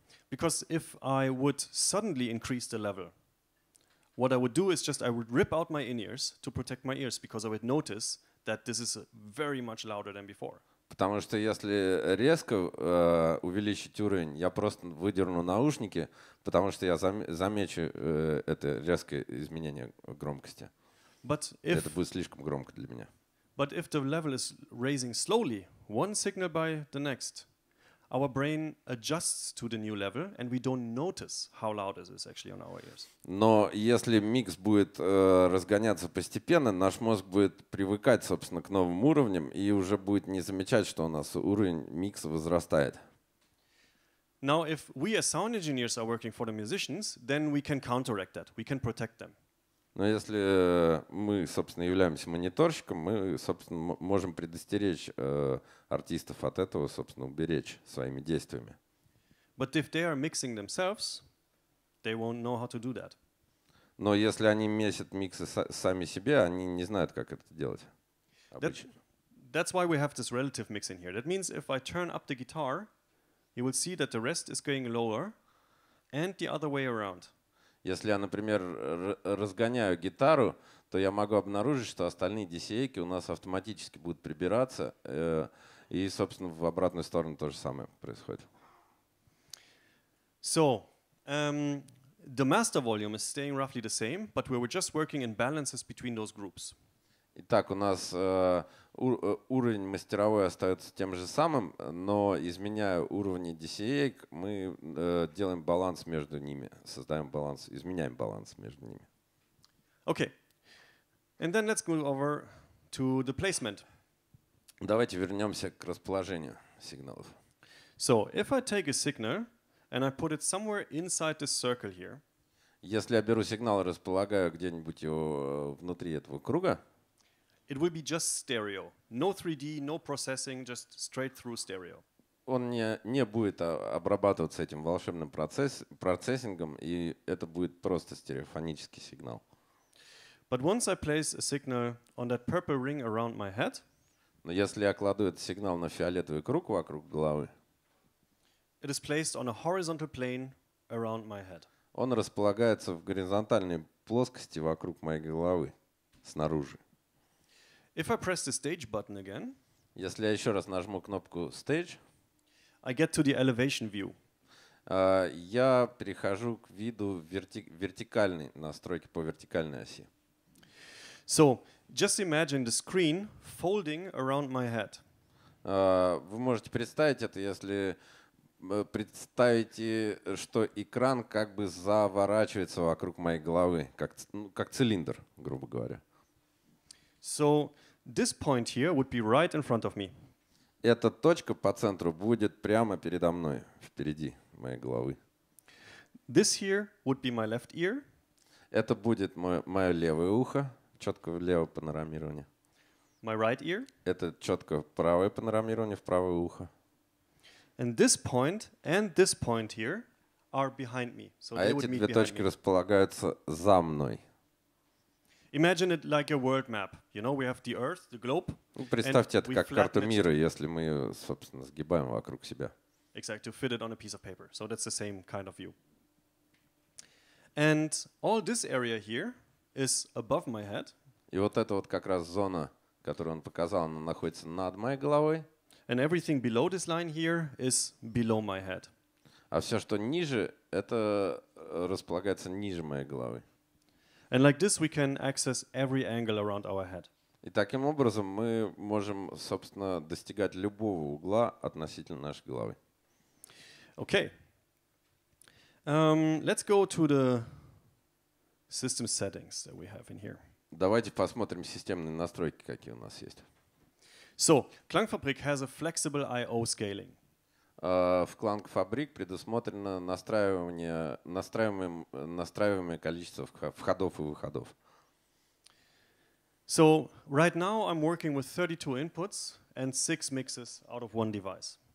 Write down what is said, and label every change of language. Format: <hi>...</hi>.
<en>Because if I would suddenly increase the level, what I would do is just I would rip out my in-ears to protect my ears because I would notice that this is very much louder than before.</en> <ru>Потому что если резко увеличить уровень, я просто выдерну наушники, потому что я замечу это резкое изменение громкости.</ru> <en>But if</en> <ru>это будет слишком громко для меня.</ru> <en>But if the level is raising slowly, one signal by the next, our brain adjusts to the new level, and we don't notice how loud it is actually on our ears.</en> <ru>Но если микс будет разгоняться постепенно, наш мозг будет привыкать, собственно, к новым уровням и уже будет не замечать, что у нас уровень микса возрастает.</ru> <en>Now, if we as sound engineers are working for the musicians, then we can counteract that. We can protect them.</en> <ru>Но если мы, собственно, являемся мониторщиком, мы, собственно, можем предостеречь артистов от этого, собственно, уберечь своими действиями.</ru> <en>But if they are mixing themselves, they won't know how to do that.</en> <ru>Но если они месят миксы сами себе, они не знают, как это делать.</ru> <en>That's why we have this relative mix in here. That means if I turn up the guitar, you will see that the rest is going lower and the other way around.</en> <ru>Если я, например, разгоняю гитару, то я могу обнаружить, что остальные DCA-ки у нас автоматически будут прибираться, и, собственно, в обратную сторону то же самое происходит.</ru> <en>So, the master volume is staying roughly the same, but we were just working in balances between those groups.</en> <ru>Итак, у нас уровень мастеровой остается тем же самым, но изменяя уровни DCA, мы делаем баланс между ними, создаем баланс, изменяем баланс между ними.</ru> <en>Okay. And then let's move over to the placement.</en> <ru>Давайте вернемся к расположению сигналов.</ru> <en>So, if I take a signal and I put it somewhere inside this circle here.</en> <ru>Если я беру сигнал и располагаю где-нибудь его внутри этого круга,</ru> <en>it would be just stereo. No 3D, no processing, just straight through stereo.</en> <ru>Он не будет обрабатываться этим волшебным процессингом, и это будет просто стереофонический сигнал.</ru> <en>But once I place a signal on that purple ring around my head,</en> <ru>Но если я кладу этот сигнал на фиолетовый круг вокруг головы,</ru> <en>it is placed on a horizontal plane around my head.</en> <ru>Он располагается в горизонтальной плоскости вокруг моей головы снаружи.</ru> <en>If I press the stage button again,</en> <ru>если я еще раз нажму кнопку stage,</ru> <en>I get to the elevation view.</en> <ru>Я перехожу к виду вертикальной настройки по вертикальной оси.</ru> <en>So, just imagine the screen folding around my head.</en> <ru>Вы можете представить это, если представите, что экран как бы заворачивается вокруг моей головы, как цилиндр, грубо говоря.</ru> <en>So, this point here would be right in front of me.</en> <ru>Эта точка по центру будет прямо передо мной, впереди моей головы.</ru> <en>This here would be my left ear.</en> <ru>Это будет мое левое ухо, четко влево панорамирование.</ru> <en>My right ear.</en> <ru>Это четко правое панорамирование в правое ухо.</ru> <en>And this point here are behind me. So</en> <ru>а эти две точки</ru> <en>me.</en> <ru>Располагаются за мной.</ru> <en>Imagine it like a world map. You know, we have the Earth, the globe.</en> <ru>Ну, представьте это как карту мира, если мы ее, собственно, сгибаем вокруг себя.</ru> <en>Exactly, to fit it on a piece of paper. So that's the same kind of view. And all this area here is above my head.</en> <ru>И вот это вот как раз зона, которую он показал, она находится над моей головой.</ru> <en>And everything below this line here is below my head.</en> <ru>А все, что ниже, это располагается ниже моей головы.</ru> <en>And like this, we can access every angle around our head.</en> <ru>И таким образом мы можем, собственно, достигать любого угла относительно нашей головы.</ru> <en>Okay. Let's go to the system settings that we have in here.</en> <ru>Давайте посмотрим системные настройки, какие у нас есть.</ru> <en>So, Klangfabrik has a flexible I/O scaling.</en> <ru>В Klangfabrik предусмотрено настраивание настраиваемое количество входов и выходов.</ru> <en>So, right now I'm working with 32 inputs and 6 mixes out of one device.</en>